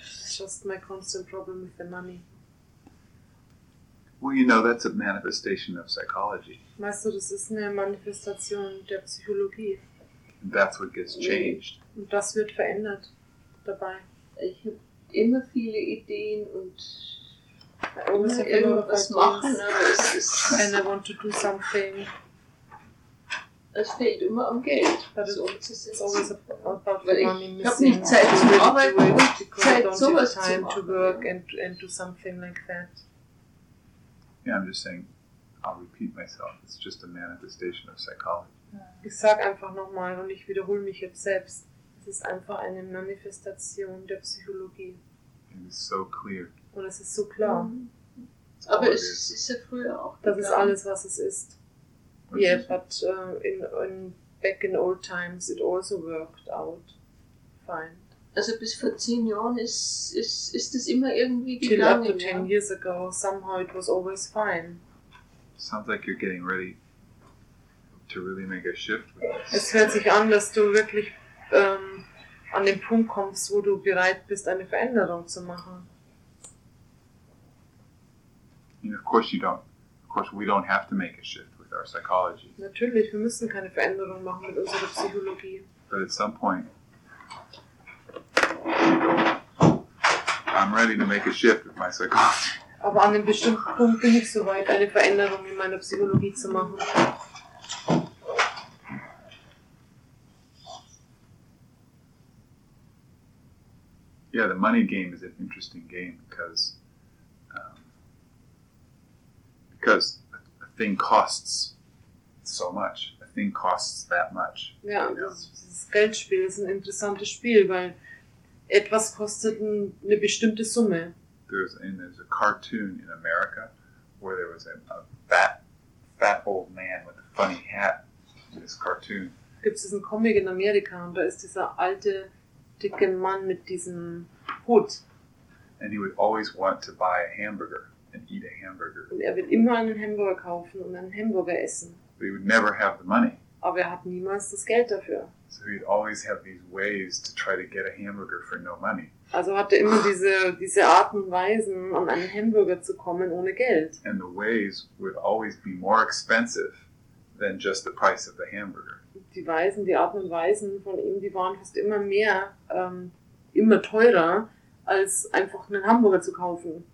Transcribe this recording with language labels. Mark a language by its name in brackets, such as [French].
[English] Just my constant problem with the money. Well, you know, that's a manifestation of psychology. [German] Weißt du, das ist eine Manifestation der Psychologie. [English] That's what gets changed. [German] Und das wird verändert dabei. Ich habe immer viele Ideen und muss irgendwas machen, aber [English] I want to do something. [German] Es fehlt immer am Geld. [English] So, it's always about the money. [German] Ich habe nicht Zeit zu arbeiten, Zeit sowas zu machen. [English] To work and do something like that. Yeah, I'm just saying, I'll repeat myself. It's just a manifestation of psychology. [German] Ich sage einfach nochmal und ich wiederhole mich jetzt selbst. Es ist einfach eine Manifestation der Psychologie. [English] And it's so clear. [German] Und es ist so klar. Aber es ist ja früher auch das gegangen. Ist alles, was es ist. [English] Was yeah, but in back in old times it also worked out fine. [German] Also bis vor 10 Jahren ist das immer irgendwie gegangen. [English] Till up to 10 years ago, somehow it was always fine. Sounds like you're getting ready to really make a shift with this. [German] Es hört sich an, dass du wirklich an den Punkt kommst, wo du bereit bist, eine Veränderung zu machen. [English] And of course you don't. Of course we don't have to make a shift. Our psychology. [German] Natürlich, wir müssen keine Veränderung machen mit unserer Psychologie. [English] But at some point, I'm ready to make a shift with my psychology. [German] Aber an einem bestimmten Punkt bin ich soweit, eine Veränderung in meiner Psychologie zu machen. [English] Yeah, the money game is an interesting game because a thing costs. So much. A thing costs that much. [German] Ja, das Geldspiel ist ein interessantes Spiel, weil etwas kostet eine bestimmte Summe. [English] There's a cartoon in America where there was a fat old man with a funny hat in this cartoon. [German] Gibt's diesen Comic in Amerika und da ist dieser alte dicke Mann mit diesem Hut. [English] And he would always want to buy a hamburger and eat a hamburger. [German] Und er wird immer einen Hamburger kaufen und einen Hamburger essen. [English] But he would never have the money. [German] Aber er hat niemals das Geld dafür. [English] So he'd always have these ways to try to get a hamburger for no money. [German] Also hatte immer diese Arten und Weisen, um einen Hamburger zu kommen ohne Geld. [English] And the ways would always be more expensive than just the price of the hamburger. [German] Die Weisen, die Arten und Weisen von ihm, die waren fast immer mehr, immer teurer, als einfach einen Hamburger zu kaufen.